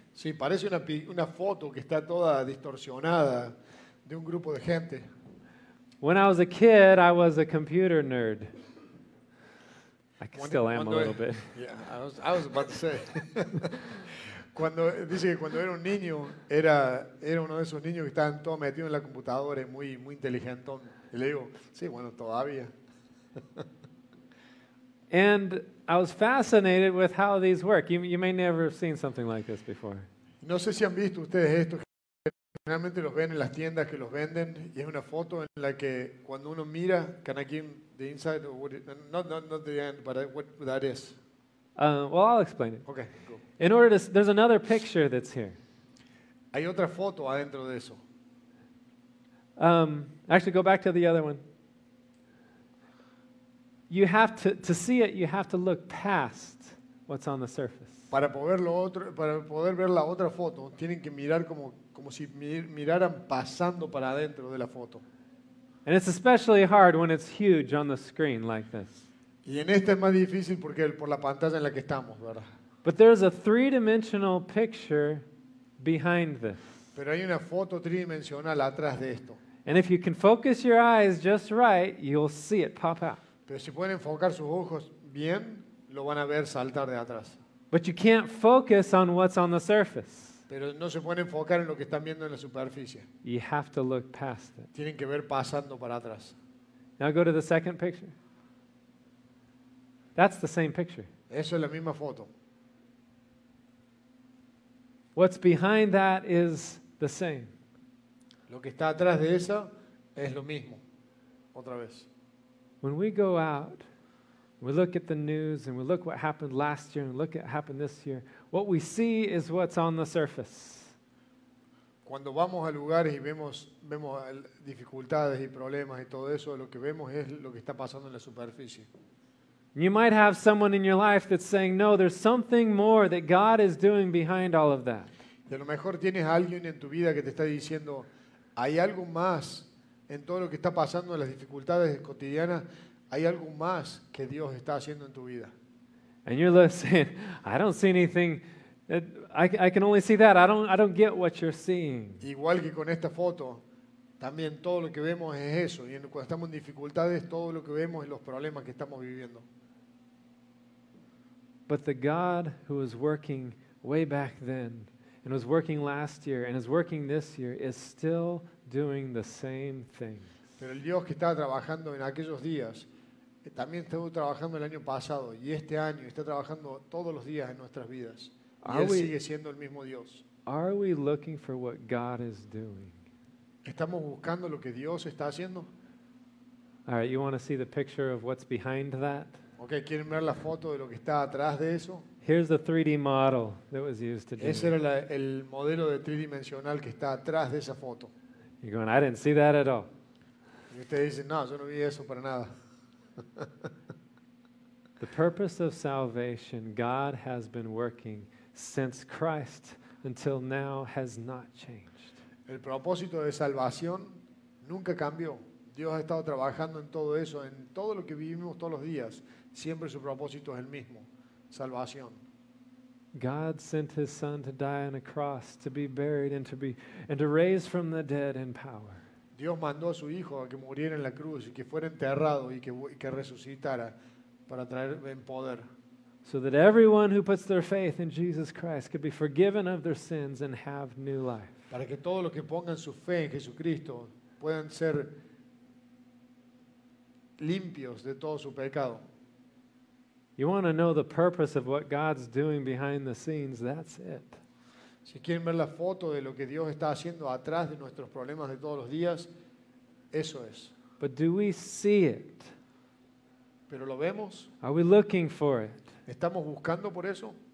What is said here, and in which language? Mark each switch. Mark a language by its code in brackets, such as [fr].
[es] Sí, parece una foto que está toda distorsionada de un grupo de gente. [en] When I was a kid, I was a computer nerd. I still am a little bit. Yeah, I was about to say. [es] Cuando dice que cuando era un niño, era uno de esos niños que estaban todos metidos en la computadora, muy muy inteligentón. Y le digo, sí, bueno, todavía. [en] And I was fascinated with how these work. You may never have seen something like this before. [es] No sé si han visto ustedes esto. Generalmente los ven en las tiendas que los venden y es una foto en la que cuando uno mira, [en] can I give the inside or what it, not the end, but what that is. Well, I'll explain it. Okay, go. In order to, there's another picture that's here. [es] Hay otra foto adentro de eso. [en] Actually, go back to the other one. You have to see it. You have to look past what's on the surface. [es] Para poder lo otro, para poder ver la otra foto, tienen que mirar como si miraran pasando para adentro de la foto. [en] And it's especially hard when it's huge on the screen like this. [es] Y en esta es más difícil porque por la pantalla en la que estamos, ¿verdad? [en] But there's a three-dimensional picture behind this. [es] Pero hay una foto tridimensional atrás de esto. [en] And if you can focus your eyes just right, you'll see it pop out. [es] Pero si pueden enfocar sus ojos bien, lo van a ver saltar de atrás. [en] But you can't focus on what's on the surface. [es] Pero no se pueden enfocar en lo que están viendo en la superficie. [en] You have to look past it. [es] Tienen que ver pasando para atrás. [en] Now go to the second picture. That's the same picture. [es] Eso es la misma foto. [en] What's behind that is the same. [es] Lo que está atrás de eso es lo mismo. Otra vez. [en] When we go out, we look at the news and we look what happened last year and look at what happened this year. What we see is what's on the surface. [es] Cuando vamos a lugares y vemos dificultades y problemas y todo eso, lo que vemos es lo que está pasando en la superficie. [en] You might have someone in your life that's saying, no, there's something more that God is doing behind all of that. [es] Y a lo mejor tienes alguien en tu vida que te está diciendo, hay algo más en todo lo que está pasando en las dificultades cotidianas, hay algo más que Dios está haciendo en tu vida. [en] And you're listening, I don't see anything, I can only see that, I don't get what you're seeing. [es] Igual que con esta foto, también todo lo que vemos es eso, y cuando estamos en dificultades, todo lo que vemos es los problemas que estamos viviendo. [en] But the God who was working way back then, and was working last year, and is working this year, is still doing the same thing. [es] Pero el Dios que estaba trabajando en aquellos días, también estuvo trabajando el año pasado y este año, está trabajando todos los días en nuestras vidas. Y Él sigue siendo el mismo Dios. [en] Are we looking for what God is doing? [es] ¿Estamos buscando lo que Dios está haciendo? [en] All right, you want to see the picture of what's behind that? [es] Okay, ¿quieren ver la foto de lo que está atrás de eso? [en] Here's the 3D model that was used to do. [es] Ese era el modelo de tridimensional que está atrás de esa foto. [en] You're going, I didn't see that at all. [es] Y usted dice, no, yo no vi eso para nada. [en] The purpose of salvation, God has been working since Christ until now has not changed. [es] El propósito de salvación nunca cambió. Dios ha estado trabajando en todo eso, en todo lo que vivimos todos los días. Siempre su propósito es el mismo, salvación. [en] God sent his son to die on a cross, to be buried and to raise from the dead in power. [es] Dios mandó a su hijo a que muriera en la cruz y que fuera enterrado y que resucitara para traer en poder. [en] So that everyone who puts their faith in Jesus Christ could be forgiven of their sins and have new life. [es] Para que todos los que pongan su fe en Jesucristo puedan ser limpios de todo su pecado. [en] You want to know the purpose of what God's doing behind the scenes, that's it. [es] Si quieren ver la foto de lo que Dios está haciendo atrás de nuestros problemas de todos los días, eso es. [en] But do we see it? [es] ¿Pero lo vemos? [en] Are we looking for it? [es] ¿Estamos buscando por eso?